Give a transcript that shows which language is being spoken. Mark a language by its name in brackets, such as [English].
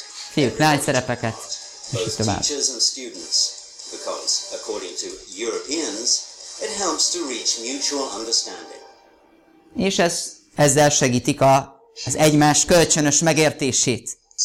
[Hungarian] Fiúk, lány szerepeket, és így tovább. [English] Because, according to Europeans, it helps to reach mutual understanding. [Hungarian] És ezzel segítik az egymás kölcsönös megértését.